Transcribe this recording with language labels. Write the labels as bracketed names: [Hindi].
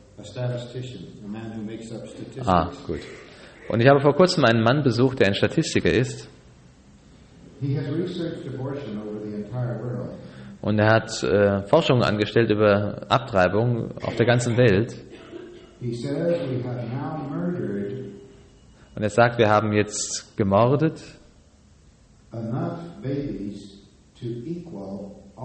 [English] A statistician, a man who makes up statistics. [German] Ah, gut. Und ich habe vor kurzem einen Mann besucht, der ein Statistiker ist. [English] He has researched abortion over the entire world. [German] Und er hat Forschung angestellt über Abtreibung auf der ganzen Welt. [English] He says we have now murdered. [German] Und er sagt, wir haben jetzt gemordet. [English] Enough babies to equal.